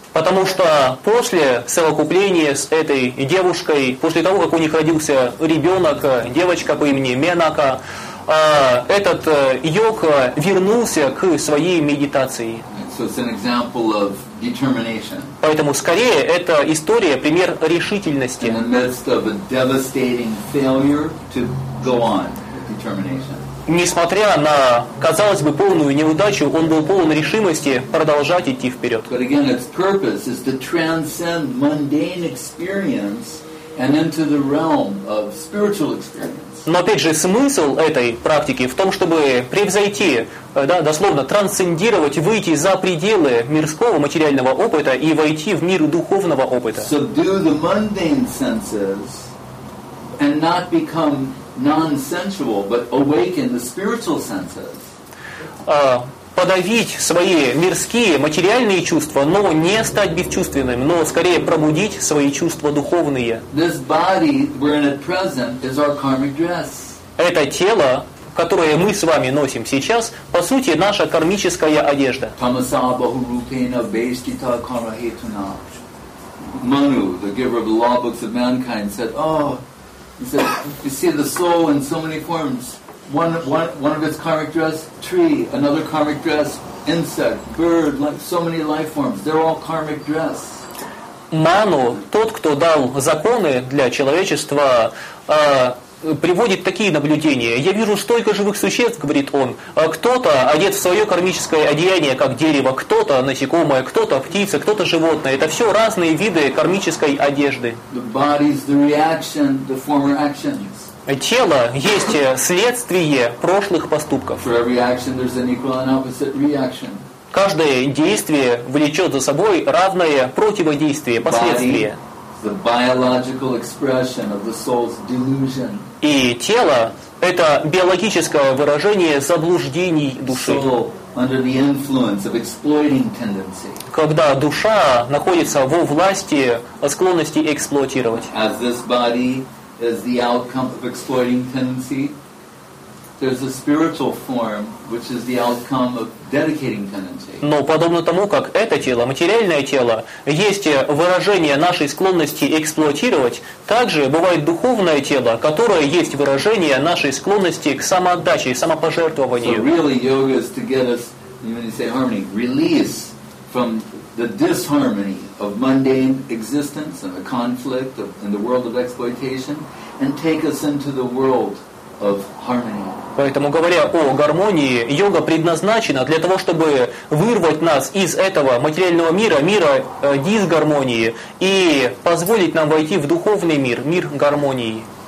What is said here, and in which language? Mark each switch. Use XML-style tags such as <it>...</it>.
<ru>Потому что после совокупления с этой девушкой, после того, как у них родился ребенок, девочка по имени Менака, этот йог вернулся к своей медитации.</ru> <en>So it's an example of determination.</en> <ru>Поэтому скорее это история, пример решительности.</ru> <en>In the midst of a devastating failure to go on with determination.</en> <ru>Несмотря на, казалось бы, полную неудачу, он был полон решимости продолжать идти вперед.</ru> <en>But again, its purpose is to transcend mundane experience and into the realm of spiritual experience.</en> <ru>Но опять же, смысл этой практики в том, чтобы превзойти, да, дословно трансцендировать, выйти за пределы мирского материального опыта и войти в мир духовного опыта.</ru> <en>Subdue the mundane senses and not become non-sensual, but awaken the spiritual senses.</en> <ru>Подавить свои мирские, материальные чувства, но не стать бесчувственным, но скорее пробудить свои чувства духовные.</ru> <en>This body we're in at present is our karmic dress.</en> <ru>Это тело, которое мы с вами носим сейчас, по сути, наша кармическая одежда.</ru> <sa>Tamasa bahurupena vaishtita karmahetuna.</sa> <en>Manu, the giver of the law books of mankind, said, oh, he said, you see the soul in so many forms. one of its karmic dress, tree, another karmic dress, insect, bird, like so many life forms, they're all karmic dress.</en> <ru>Ману, тот, кто дал законы для человечества, приводит такие наблюдения. Я вижу столько живых существ, говорит он, кто-то одет в свое кармическое одеяние, как дерево, кто-то насекомое, кто-то птица, кто-то животное. Это все разные виды кармической одежды.</ru> <en>The body's the reaction, the former actions.</en> <ru>Тело есть следствие прошлых поступков.</ru> <en>For every action, there's an equal and opposite reaction.</en> <ru>Каждое действие влечет за собой равное противодействие, последствие.</ru> <en>The biological expression of the soul's delusion.</en> <ru>И тело — это биологическое выражение заблуждений души.</ru> <en>Soul under the influence of exploiting tendency.</en> <ru>Когда душа находится во власти склонности эксплуатировать.</ru> <en>As this body is the outcome of exploiting tendency, there's a spiritual form which is the outcome of dedicating tendency.</en> <ru>Но подобно тому, как это тело, материальное тело, есть выражение нашей склонности эксплуатировать, также бывает духовное тело, которое есть выражение нашей склонности к самоотдаче, самопожертвованию.</ru> <en>So really yoga is to get us, when you say harmony, release from the disharmony of mundane existence and the conflict of, in the world of exploitation, and take us into the world of harmony.</en> <ru>Поэтому, говоря о гармонии, йога предназначена для того, чтобы вырвать нас из этого материального мира, мира дисгармонии, и позволить нам войти в духовный мир, мир гармонии.</ru>